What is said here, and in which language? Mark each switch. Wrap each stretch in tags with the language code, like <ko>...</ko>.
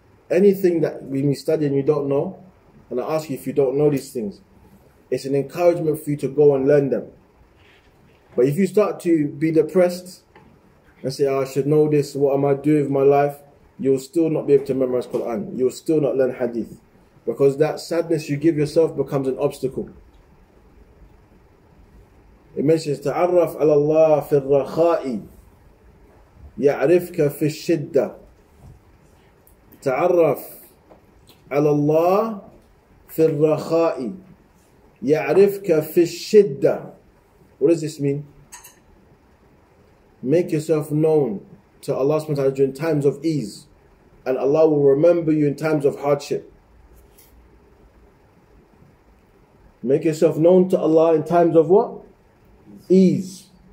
<en>Anything that we study and you don't know, and I ask you if you don't know these things, it's an encouragement for you to go and learn them. But if you start to be depressed and say, oh, I should know this, what am I doing with my life? You'll still not be able to memorize Quran. You'll still not learn hadith. Because that sadness you give yourself becomes an obstacle. It mentions,</en> <ar>تَعَرَّفْ عَلَى اللَّهِ فِي الرَّخَاءِ يَعْرِفْكَ فِي الشِّدَّةِ تَعَرَّفْ عَلَى اللَّهِ فِي الرَّخَاءِ يَعْرِفْكَ فِي الشِّدَّةِ.</ar> <en>What does this mean? Make yourself known to Allah subhanahu wa ta'ala during times of ease, and Allah will remember you in times of hardship. Make yourself known to Allah in times of what? Ease.</en>